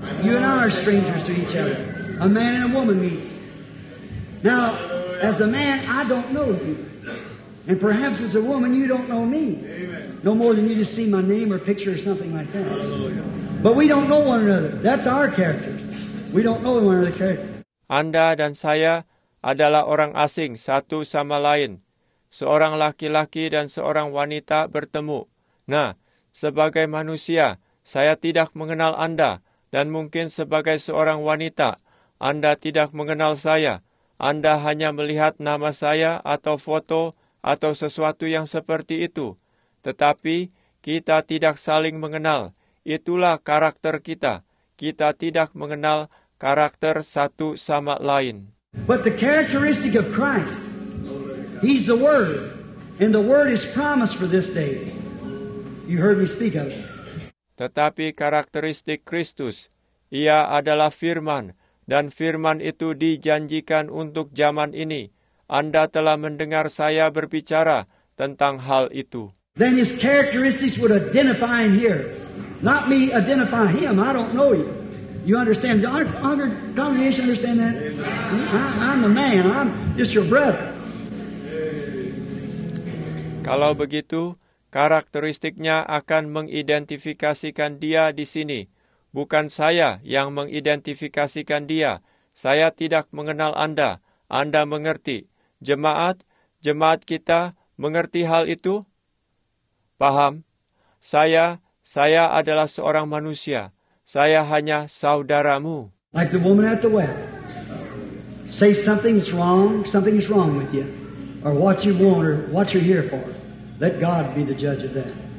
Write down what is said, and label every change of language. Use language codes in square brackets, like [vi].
[en] You and I are strangers to each other. A man and a woman meets. Now, as a man, I don't know you. And perhaps as a woman, you don't know me. No more than you just see my name or picture or something like that. But we don't know one another. That's our characters. We don't know one another's character. [id] Anda dan saya adalah orang asing satu sama lain. Seorang laki-laki dan seorang wanita bertemu. Nah, sebagai manusia, saya tidak mengenal Anda. Dan mungkin sebagai seorang wanita, Anda tidak mengenal saya. Anda hanya melihat nama saya atau foto atau sesuatu yang seperti itu. Tetapi kita tidak saling mengenal. Itulah karakter kita. Kita tidak mengenal karakter satu sama lain. [en] But the characteristic of Christ, He's the Word, and the Word is promised for this day. You heard me speak of it. [id] Tetapi karakteristik Kristus, Ia adalah Firman, dan Firman itu dijanjikan untuk zaman ini. Anda telah mendengar saya berbicara tentang hal itu. [en] Then his characteristics would identify him here. Not me identify him. I don't know you. You understand? Our congregation understand that? I'm the man. I'm just your brother. [id] Kalau begitu, karakteristiknya akan mengidentifikasikan dia di sini. Bukan saya yang mengidentifikasikan dia. Saya tidak mengenal Anda. Anda mengerti. Jemaat kita mengerti hal itu? Paham? Saya adalah seorang manusia. Saya hanya saudaramu. [en] Like the woman at the well. Say something's wrong with you. Or what you want or what you're here for. Let God be the judge of that.